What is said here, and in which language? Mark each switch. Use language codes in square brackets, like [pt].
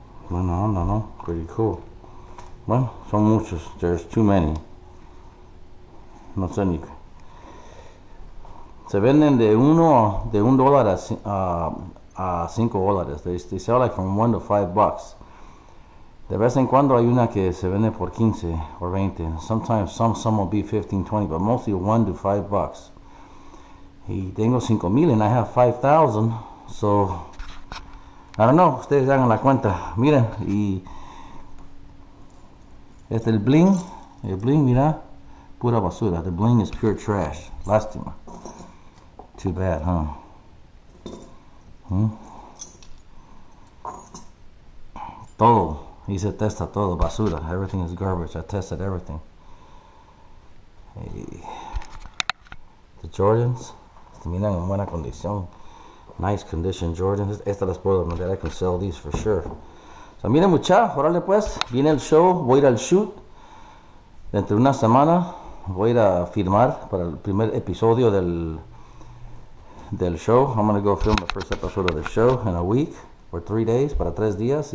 [es] Bueno, onda, ¿no? [en] Pretty cool. [es] Bueno, son muchos. [en] There's too many. [es] No sé ni qué. Se venden de uno, de $1 a $5. [en] They sell like from 1 to 5 bucks. [es] De vez en cuando hay una que se vende por 15 o 20. [en] Sometimes some will be 15, 20, but mostly 1 to 5 bucks. [es] Y tengo 5,000 [en] and I have 5,000. So, I don't know, [es] ustedes hagan la cuenta. Miren, y este el bling. El bling, mira, pura basura. [en] The bling is pure trash. [es] Lástima. [en] Too bad, huh? [es] Todo. Hice testa todo, basura. [en] Everything is garbage. I tested everything. Hey. The Jordans. [es] Miran en buena condición. [en] Nice condition Jordans. [es] Estas las puedo vender. [en] I can sell these for sure. [es] O sea, miren, mucha. Órale, pues. Viene el show. Voy a ir al shoot. Dentro de una semana voy a ir a filmar para el primer episodio del show. [en] I'm going to go film the first episode of the show in a week or 3 days, [es] para 3 días.